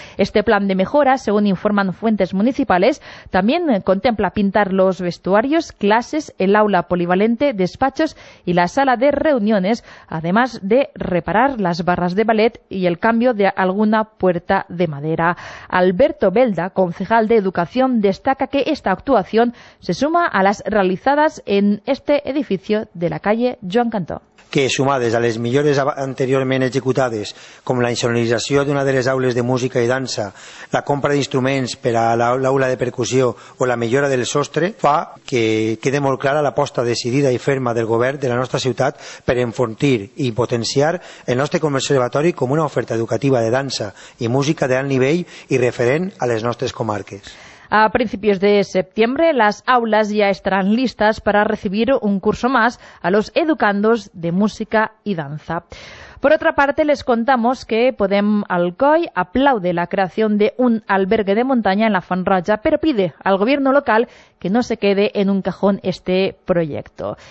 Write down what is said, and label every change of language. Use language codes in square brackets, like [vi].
[es] Este plan de mejora, según informan fuentes municipales, también contempla pintar los vestuarios, clases, el aula polivalente, despachos y la sala de reuniones, además de reparar las barras de ballet y el cambio de alguna puerta de madera. Alberto Belda, concejal de Educación, destaca que esta actuación se suma a las realizadas en este edificio de la calle Joan Cantó. [ca] que sumades a les millores anteriorment executades, com la insonorització d'una de les aules de música i dansa, la compra d'instruments per a l'aula de percussió o la millora del sostre, fa que quede molt clara l'aposta decidida i ferma del govern de la nostra ciutat per enfortir i potenciar el nostre conservatori com una oferta educativa de dansa i música de alt nivell i referent a les nostres comarques. [es] A principios de septiembre, las aulas ya estarán listas para recibir un curso más a los educandos de música y danza. Por otra parte, les contamos que Podem Alcoy aplaude la creación de un albergue de montaña en la Fontroja, pero pide al gobierno local que no se quede en un cajón este proyecto.